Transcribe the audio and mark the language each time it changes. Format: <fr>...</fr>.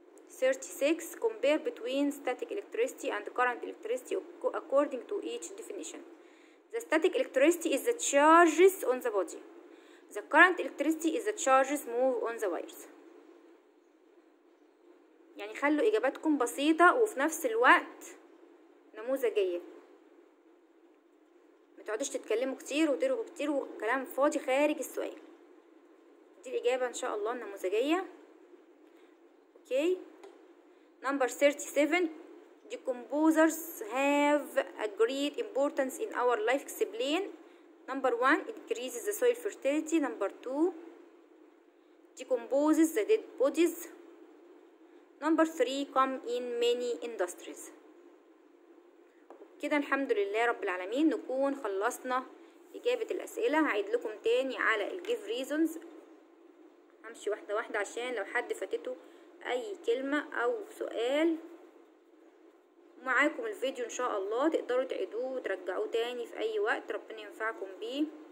<en>36 compare between static electricity and current electricity according to each definition. The static electricity is the charges on the body. The current electricity is the charges move on the wires.</en> <ar>يعني خلوا اجاباتكم بسيطه وفي نفس الوقت نموذجيه، ما تقعدوش تتكلموا كتير وتروحوا كتير وكلام فاضي خارج السؤال. دي الاجابه ان شاء الله النموذجيه. اوكي نمبر</ar> <en>37، the composers have a great importance in our life. explain. number 1 increases the soil fertility. number 2 decomposes the dead bodies. number 3 come in many industries.</en> <ar>كده الحمد لله رب العالمين نكون خلصنا إجابة الأسئلة. هعيد لكم تاني على الجيف ريزونز، همشي واحدة واحدة عشان لو حد فاتته أي كلمة أو سؤال. معاكم الفيديو إن شاء الله تقدروا تعيدوه وترجعوه تاني في أي وقت ربنا ينفعكم بيه.</ar>